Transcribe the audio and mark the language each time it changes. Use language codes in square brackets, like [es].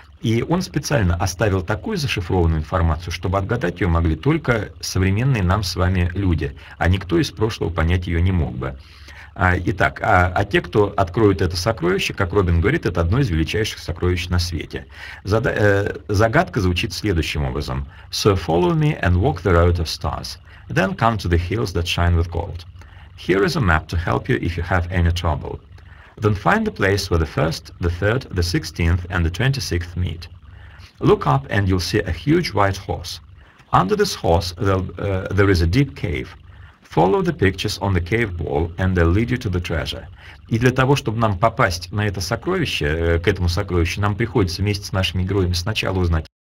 [ru] И он специально оставил такую зашифрованную информацию, чтобы отгадать ее могли только современные нам с вами люди, а никто из прошлого понять ее не мог бы. Итак, те, кто откроют это сокровище, как Робин говорит, это одно из величайших сокровищ на свете. Загадка звучит следующим образом. [en] So follow me and walk the road of stars, then come to the hills that shine with gold. Here is a map to help you if you have any trouble. Then find the place where the 1st, the 3rd, the 16th, and the 26th meet. Look up and you'll see a huge white horse. Under this horse there is a deep cave. Follow the pictures on the cave wall and they'll lead you to the treasure. [ru] И для того, чтобы нам попасть на это сокровище, к этому сокровищу, нам приходится вместе с нашими героями сначала узнать.